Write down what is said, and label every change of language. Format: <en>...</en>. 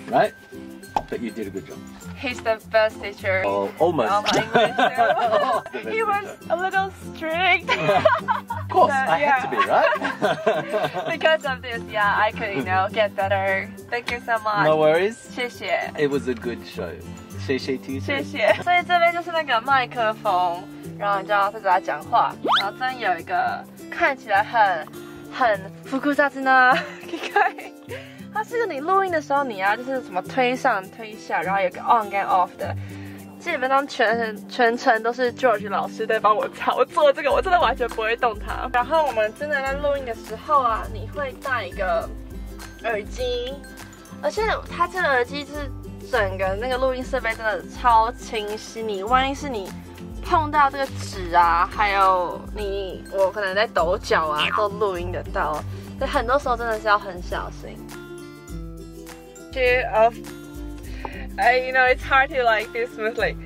<en>Right? But you did a good job. He's the best teacher. Oh, almost. Oh, my English, too. He was a little strict. Of course, so, I had to be, right? Because of this, yeah, I could, you know, get better. Thank you so much. No worries.</en> <zh>谢谢.</zh> <en>It was a good show. 谢谢 teacher.</en> <zh>谢谢. 所以这边就是那个麦克风，然后你就要对着它讲话。然后这边有一个看起来很复古杂志呢，你看。它是你录音的时候，你要就是什么推上推下，然后有个 on 跟 off 的，基本上全程都是 George 老师在帮我操作这个，我真的完全不会动它。然后我们真的在录音的时候啊，你会戴一个耳机，而且它这个耳机是整个那个录音设备真的超清晰，你万一是你碰到这个纸啊，还有我可能在抖脚啊，都录音得到，所以很多时候真的是要很小心。</zh> <en>You know, it's hard to like do smoothly.</en>